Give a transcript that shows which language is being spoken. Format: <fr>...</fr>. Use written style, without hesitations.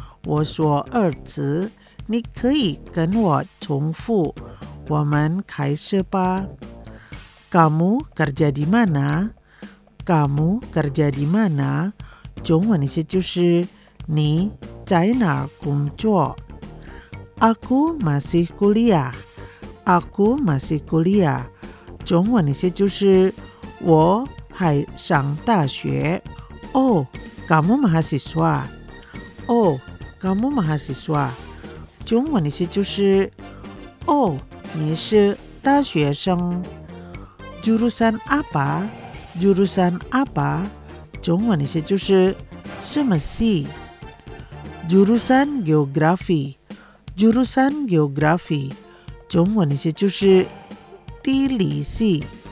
<zh>我说二词，你可以跟我重复。我们开始吧。</zh> <id>Kamu kerja di mana？ Kamu kerja di mana？</id> <zh>中文意思就是你在哪儿工作？</zh> <id>Aku masih kuliah， Aku masih kuliah，</id> <zh>中文意思就是我还上大学。</zh> <id>Oh， kamu mahasiswa， Oh， kamu mahasiswa，</id> <zh>中文意思就是 Oh， 你是大学生。</zh> <id>Jurusan apa， Jurusan apa，</id> <zh>中文意思就是什么系。</zh> <id>Jurusan geografi， Jurusan geografi，</id> <zh>中文意思就是地理系。</zh>